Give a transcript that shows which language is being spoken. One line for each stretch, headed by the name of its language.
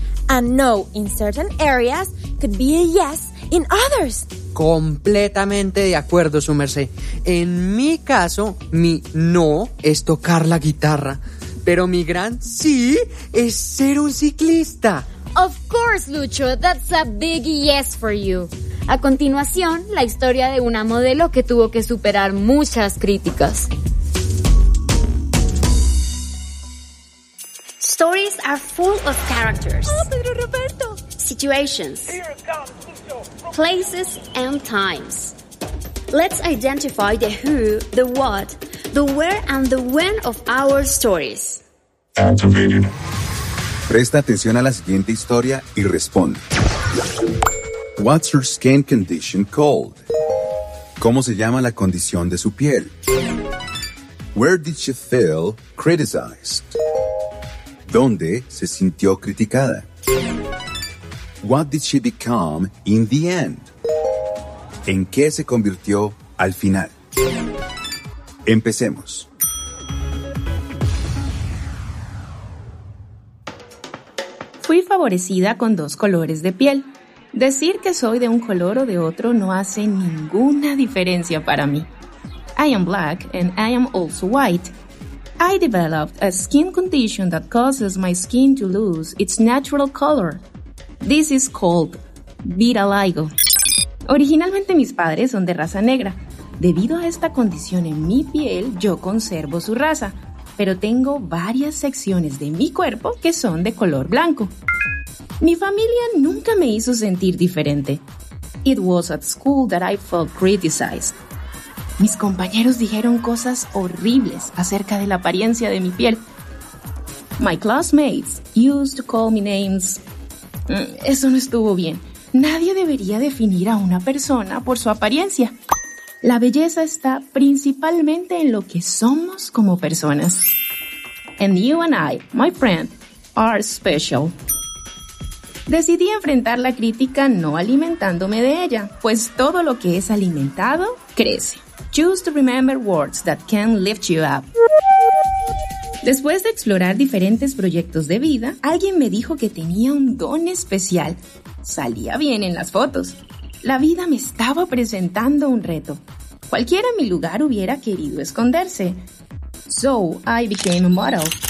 English: A no in certain areas could be a yes in others.
Spanish: Completamente de acuerdo, su merced. En mi caso, mi no es tocar la guitarra. Pero mi gran sí es ser un ciclista.
English: Of course, Lucho, that's a big yes for you.
Spanish: A continuación, la historia de una modelo que tuvo que superar muchas críticas.
English: Stories are full of characters.
Spanish: ¡Oh, Pedro Roberto!
English: Situations. Here comes Lucho. Places and times. Let's identify the who, the what, the where and the when of our stories.
Spanish: Presta atención a la siguiente historia y responde.
English: What's your skin condition called?
Spanish: ¿Cómo se llama la condición de su piel?
English: Where did she feel criticized?
Spanish: ¿Dónde se sintió criticada?
English: What did she become in the end?
Spanish: ¿En qué se convirtió al final? Empecemos. Fui favorecida con dos colores de piel. Decir que soy de un color o de otro no hace ninguna diferencia para mí.
English: I am black and I am also white. I developed a skin condition that causes my skin to lose its natural color. This is called vitiligo.
Spanish: Originalmente mis padres son de raza negra. Debido a esta condición en mi piel, yo conservo su raza, pero tengo varias secciones de mi cuerpo que son de color blanco. Mi familia nunca me hizo sentir diferente.
English: It was at school that I felt criticized.
Spanish: Mis compañeros dijeron cosas horribles acerca de la apariencia de mi piel.
English: My classmates used to call me names.
Spanish: Eso no estuvo bien. Nadie debería definir a una persona por su apariencia. La belleza está principalmente en lo que somos como personas.
English: And you and I, my friend, are special.
Spanish: Decidí enfrentar la crítica no alimentándome de ella, pues todo lo que es alimentado crece.
English: Choose to remember words that can lift you up.
Spanish: Después de explorar diferentes proyectos de vida, alguien me dijo que tenía un don especial. Salía bien en las fotos. La vida me estaba presentando un reto. Cualquiera en mi lugar hubiera querido esconderse.
English: So, I became a model.